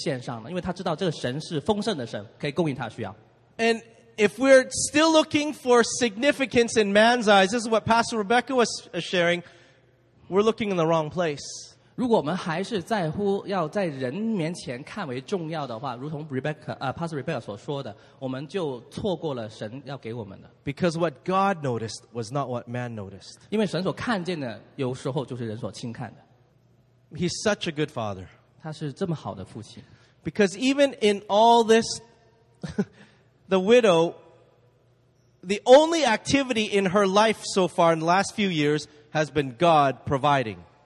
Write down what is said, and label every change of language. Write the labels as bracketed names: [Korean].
[Chinese] 其实当那个寡妇给两个小钱的时候，她有很大的需要。但是真正是她感觉到的需要，她有那个仁爱的心，把她所有的都献上了，因为她知道这个神是丰盛的神，可以供应她需要。 [English] And if we're still looking for significance in man's eyes, this is what Pastor Rebecca was sharing, we're looking in the wrong place. [Chinese] 如果我们还是在乎要在人面前看为重要的话，如同 Pastor Rebecca 所说的，我们就错过了神要给我们的。 [English] Because what God noticed was not what man noticed. [Chinese] 因为神所看见的，有时候就是人所轻看的。 [English] He's such a good father. [Chinese] 他是这么好的父亲。 [English] Because even in all this, the widow, the only activity in her life so far in the last few years has been God providing.